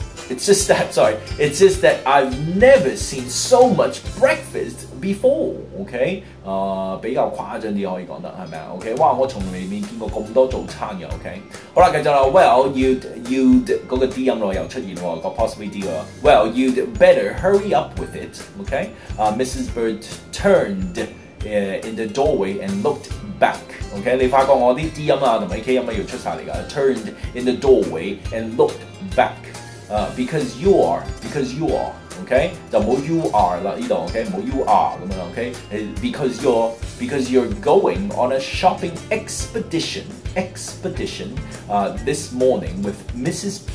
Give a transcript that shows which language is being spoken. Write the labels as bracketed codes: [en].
[en] It's just that I've never seen so much breakfast before. [yue] Okay. 比較誇張啲可以講得係咪啊 ？Okay. 哇，我從未見過咁多早餐嘅。 Okay. 好啦，繼續啦。 [en] Well, you'd [yue] 嗰個 D 音咯又出現喎，個 [en] possibly [yue] D 喎。 [en] Well, you'd better hurry up with it. Okay. Mrs. Bird turned in the doorway and looked. Back, okay? [yue] 你發覺我啲 D 音啊同埋 K 音啊要出曬嚟噶。 [en] Turned in the doorway and looked back, because you are, okay? [yue] 就冇 [en] you are [yue] 啦呢度 [en] ，okay? [yue] 冇 [en] you are [yue] 咁樣 [en] ，okay? Because you're going on a shopping expedition, this morning with Mrs.